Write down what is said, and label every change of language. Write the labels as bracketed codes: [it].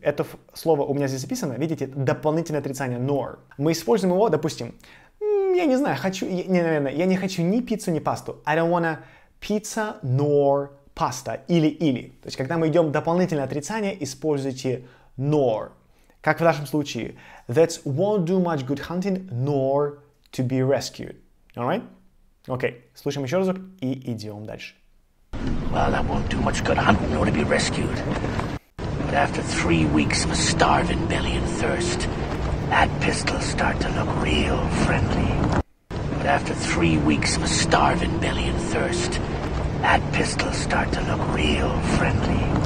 [ru] Это слово у меня здесь записано, видите, дополнительное отрицание nor. Мы используем его, допустим, я не знаю, хочу, не, наверное, я не хочу ни пиццу, ни пасту. [en] I don't wanna pizza nor pasta. [ru] Или-или. То есть когда мы идем дополнительное отрицание, используйте nor. Как в нашем случае. [en] That won't do much good hunting nor to be rescued. Alright? [ru] Окей, слушаем еще разок и идем дальше. [en] Well, that won't do much good hunting nor to be rescued. But after 3 weeks of a starving belly and thirst, that pistol start to look real friendly. But after 3 weeks of a starving belly and thirst, that pistol start to look real friendly.